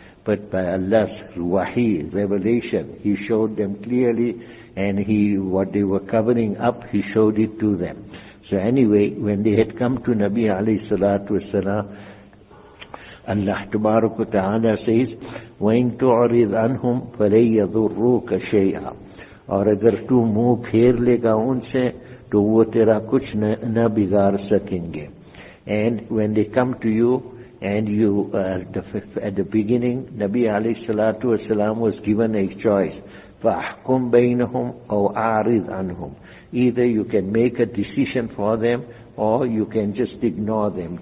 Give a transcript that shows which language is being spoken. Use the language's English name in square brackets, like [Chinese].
[English] But by Allah's wahi, revelation, he showed them clearly, and he what they were covering up, he showed it to them. So anyway, when they had come to Nabi alayhi salatu wasalam, Allah tabarak wa ta'ala says, [Arabic] وَإِن تُعْرِضْ عَنْهُمْ فَلَن يَضُرُّكَ شَيْئًا. [Urdu] اور اگر تو منہ پھیر لے گا ان سے تو وہ تیرا کچھ نہ بگاڑ سکیں گے. [English] And when they come to you, and you at the beginning, Nabi alayhi salatu wasalam was given a choice. [Arabic] فَأَحْكُمْ بَيْنَهُمْ أَوْ أَعْرِضْ عَنْهُمْ. [English] Either you can make a decision for them, or you can just ignore them.